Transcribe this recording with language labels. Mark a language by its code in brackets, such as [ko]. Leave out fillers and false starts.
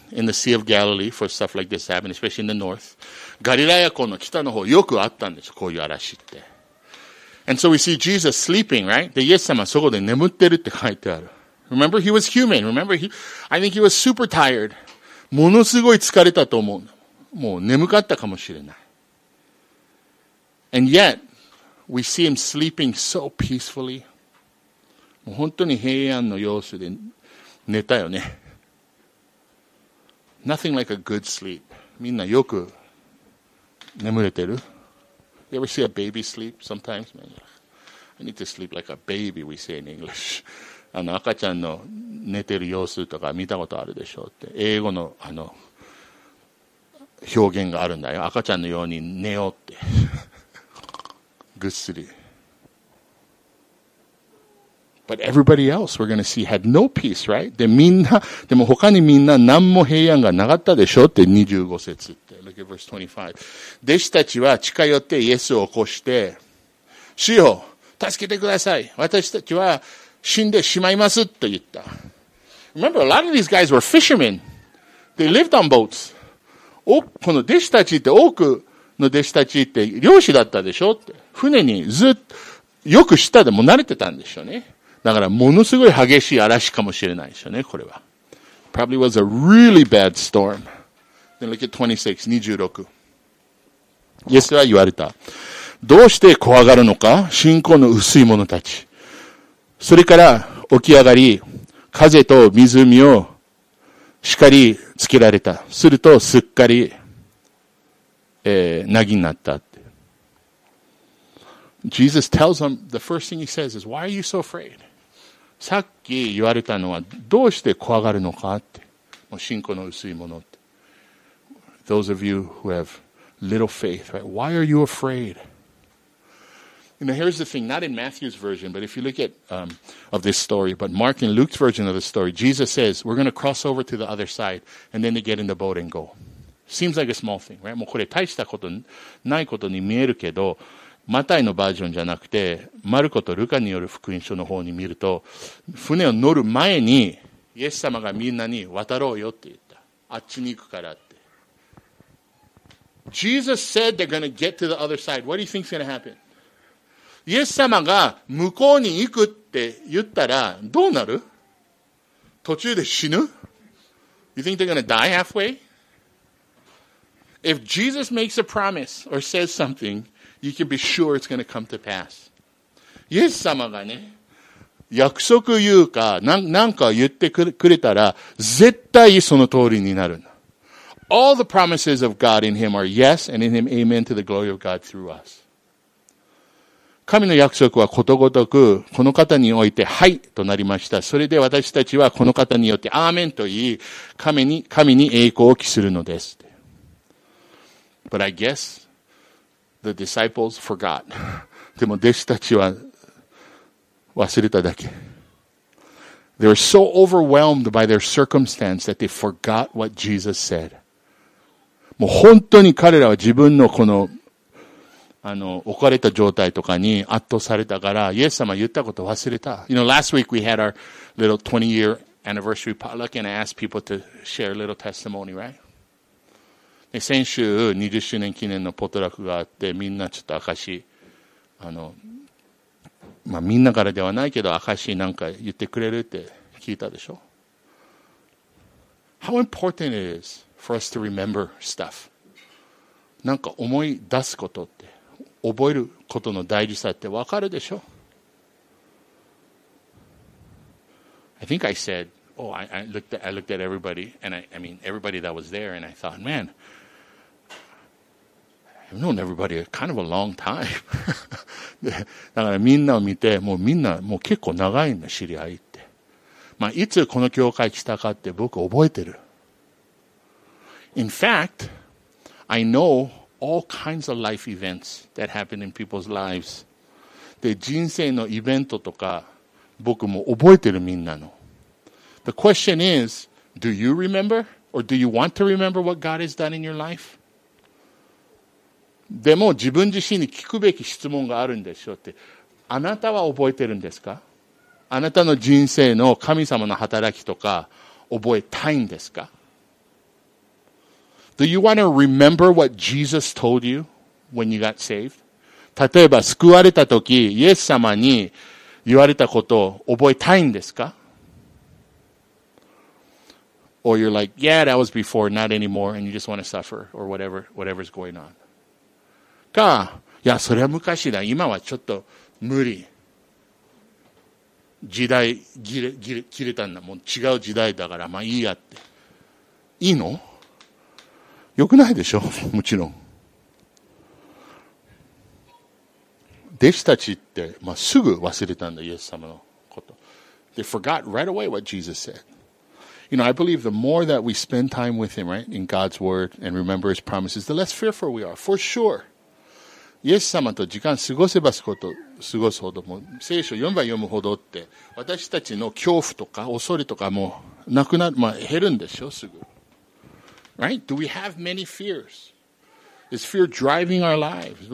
[en] In the Sea of Galilee for stuff like this to happen, especially in the north. [ja] ガリラヤ湖の北の方よくあったんです、こういう嵐って。 [en] And so we see Jesus sleeping, right? [ja] で、イエス様そこで眠ってるって書いてある。 [en] Remember, he was human. Remember, I think he was super tired. [ja] ものすごい疲れたと思う。もう眠かったかもしれない。 [en] And yet, we see him sleeping so peacefully. [ja] もう本当に平安の様子で寝たよね。 [en] Nothing like a good sleep. [ja] みんなよく眠れてる? [en] You ever see a baby sleep sometimes? I need to sleep like a baby, we say in English. [ja] 赤ちゃんの寝てる様子とか見たことあるでしょうって。英語の表現があるんだよ。赤ちゃんのように寝ようって。ぐっすり。 [en] But everybody else we're going to see had no peace, right? [ja] で、みんな、でも他にみんな何も平安がなかったでしょって25節って。 [en] Look at verse 25. [ja] 弟子たちは近寄ってイエスを起こして、主よ、助けてください。私たちは死んでしまいますと言った。 Remember, a lot of these guys were fishermen. They lived on boats. この弟子たちって多くの弟子たちって漁師だったでしょって。船にずっとよく下でも慣れてたんでしょうね。だからものすごい激しい嵐かもしれないですよね、これは。 [en] Probably was a really bad storm. Then look at 26, 26. [ja] イエスは言われた。どうして怖がるのか、信仰の薄い者たち。それから起き上がり、風と湖を叱りつけられた。するとすっかり、なぎになった。 [en] Jesus tells them, the first thing he says is, why are you so afraid? [ja] さっき言われたのはどうして怖がるのかって、もう信仰の薄いものって。 [en] Those of you who have little faith, right? Why are you afraid? You know, here's the thing, not in Matthew's version, but if you look at, of this story, but Mark and Luke's version of the story, Jesus says, we're going to cross over to the other side, and then they get in the boat and go. Seems like a small thing, right? [ja] もうこれ大したことないことに見えるけど、マタイのバージョンじゃなくて、マルコとルカによる福音書の方に見ると、船を乗る前に、イエス様がみんなに渡ろうよって言った。あっちに行くからって。 [en] Jesus said they're gonna get to the other side. What do you think's gonna happen? [ja] イエス様が向こうに行くって言ったら、どうなる? 途中で死ぬ? [en] You think they're gonna die halfway? If Jesus makes a promise or says something, You can be sure it's going to come to pass. [ja] イエス様がね、約束言うか、なんか言ってくれたら、絶対その通りになる。 [en] All the promises of God in him are yes, and in him amen to the glory of God through us. [ja] 神の約束はことごとく、この方においてはいとなりました。それで私たちはこの方によってアーメンと言い、神に栄光を期するのです。 [en] But I guess the disciples forgot. [ja] でも弟子たちは忘れただけ。 [en] They were so overwhelmed by their circumstance that they forgot what Jesus said. [ja] もう本当に彼らは自分のこの、置かれた状態とかに圧倒されたから、イエス様言ったこと忘れた。 [en] You know, last week we had our little 20 year anniversary potluck and I asked people to share a little testimony, right? [ja] で、先週20周年記念のポトラックがあって、みんなちょっと証、まあ、みんなからではないけど、証なんか言ってくれるって聞いたでしょ。 [en] How important it is. For us to remember stuff. [ja] なんか思い出すことって覚えることの大事さってわかるでしょ? [en] I think I said, oh, I looked at everybody, and I mean everybody that was there, and I thought, man, I've known everybody kind of a long time. [ja] だからみんなを見て、もうみんなもう結構長いんだ知り合いって。まあいつこの教会来たかって僕覚えてる。 [en] In fact, I know all kinds of life events that happen in people's lives. [ja] で、人生のイベントとか、僕も覚えてるみんなの。 [en] The question is, do you remember or do you want to remember what God has done in your life? [ja] でも自分自身に聞くべき質問があるんでしょうって。あなたは覚えてるんですか?あなたの人生の神様の働きとか、覚えたいんですか? [en] Do you want to remember what Jesus told you when you got saved? [ja] 例えば救われた時、イエス様に言われたことを覚えたいんですか? [en] Or you're like, yeah, that was before, not anymore, and you just want to suffer, or whatever's going on. [ja] か、いや、それは昔だ。今はちょっと無理。時代切れたんだ。もう違う時代だから、まあいいやって。いいの? よくないでしょ、もちろん。弟子たちって、まあ、すぐ忘れたんだ、イエス様のこと。 [en] They forgot right away what Jesus said. You know, I believe the more that we spend time with him, right, in God's word and remember his promises, the less fearful we are, for sure. [ja] イエス様と時間過ごせば過ごすほど、もう聖書読めば読むほどって、私たちの恐怖とか恐れとかもなくなる、まあ、減るんでしょ、すぐ。 [en] Right? Do we have many fears? Is fear driving our lives?